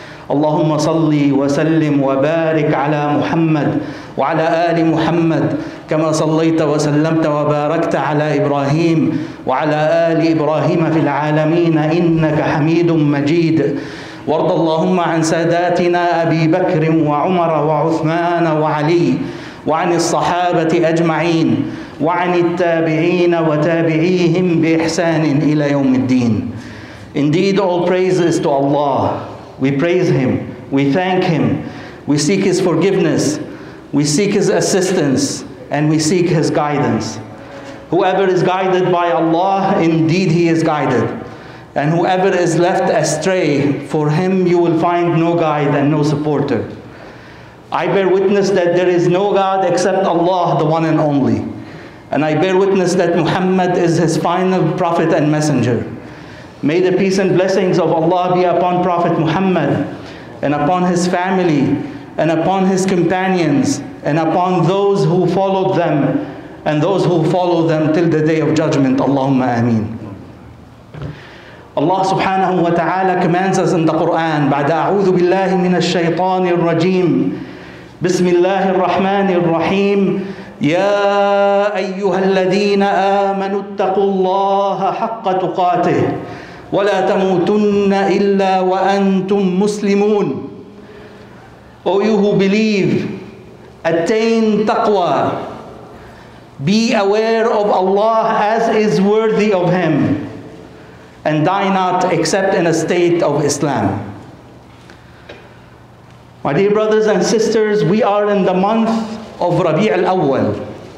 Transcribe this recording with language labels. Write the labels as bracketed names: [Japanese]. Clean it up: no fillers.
[Arabic] اللهم صلِّ وسلِّم وبارِك على محمد وعلى آل محمد، كما صليت وسلمت وباركت على إبراهيم وعلى آل إبراهيم في العالمين، إنك حميد مجيد. وارض اللهم عن ساداتنا أبي بكر وعمر وعثمان وعلي، وعن الصحابة أجمعين، وعن التابعين وتابعيهم بإحسان إلى يوم الدين. [English] Indeed, all praises to Allah. We praise Him, we thank Him, we seek His forgiveness, we seek His assistance, and we seek His guidance. Whoever is guided by Allah, indeed he is guided. And whoever is left astray, for him you will find no guide and no supporter. I bear witness that there is no God except Allah, the one and only. And I bear witness that Muhammad is His final prophet and messenger. May the peace and blessings of Allah be upon Prophet Muhammad and upon his family and upon his companions and upon those who followed them and those who follow them till the day of judgment. Allahumma ameen. Allah subhanahu wa ta'ala commands us in the Quran, [Arabic] بَعْدَ أَعُوذُ بِاللَّهِ مِنَ الشَّيْطَانِ الرَّجِيمِ بِسْمِ اللَّهِ الرَّحْمَنِ الرَّحِيمِ يَا أَيُّهَا الَّذِينَ آمَنُوا اتَّقُوا اللَّهَ حَقَّ تُقَاتِهِ ولا تموتن الا وانتم مسلمون. [English] O you who believe, attain taqwa. Be aware of Allah as is worthy of Him, and die not except in a state of Islam. My dear brothers and sisters, we are in the month of Rabi' al-Awwal.